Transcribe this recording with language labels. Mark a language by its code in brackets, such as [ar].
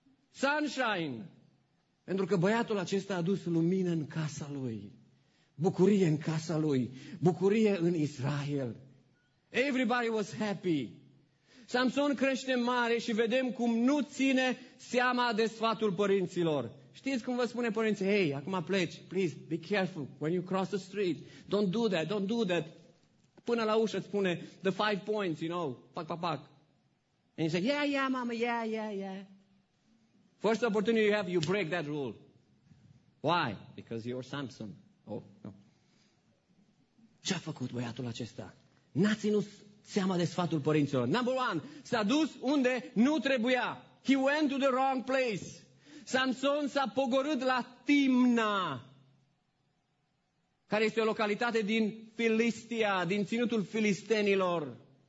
[ro] Sunshine. Pentru că băiatul acesta a adus lumină în casa lui. Bucurie în casa lui. Bucurie în Israel. [en] Everybody was happy. [ro] Samson crește mare și vedem cum nu ține seama de sfatul părinților. Știți cum vă spune părinții? Hei, acum pleci. [en] Please, be careful when you cross the street. Don't do that, don't do that. [ro] Până la ușă îți spune [en] the five points, you know. Pac, pac, pac. And you say, yeah, yeah, mama, yeah, yeah, yeah. First opportunity you have, you break that rule. Why? Because you're Samson. Oh, no. [ro] Ce-a făcut băiatul acesta? N-a ținut seama de sfatul părinților. [en] Number one, [ro] s-a dus unde nu trebuia. [en] He went to the wrong place. [ro] Samson s-a pogorât la Timna, care este o localitate din Filistia, din ținutul filistenilor.